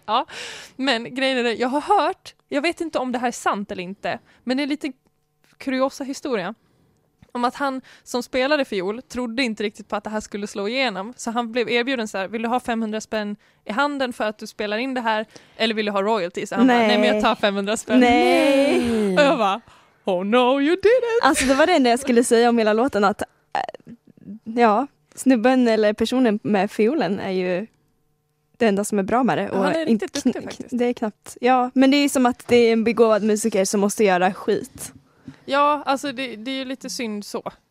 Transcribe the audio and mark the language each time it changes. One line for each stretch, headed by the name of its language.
Swedish: Ja, men grejen är det, jag har hört, jag vet inte om det här är sant eller inte, men det är lite kuriosa historia om att han som spelade fiol trodde inte riktigt på att det här skulle slå igenom, så han blev erbjuden så här: vill du ha 500 spänn i handen för att du spelar in det här eller vill du ha royalties? Så han nej. Bara, nej men jag tar 500 spänn. Nej. Och jag bara,
English: oh no you didn't.
Swedish: Alltså det var det enda jag skulle säga om hela låten, att ja, snubben eller personen med fiolen är ju det enda som är bra med det. Och han är riktigt duktig faktiskt. Det är knappt, ja, men det är som att det är en begåvad musiker som måste göra skit. Ja, alltså det är ju lite synd så.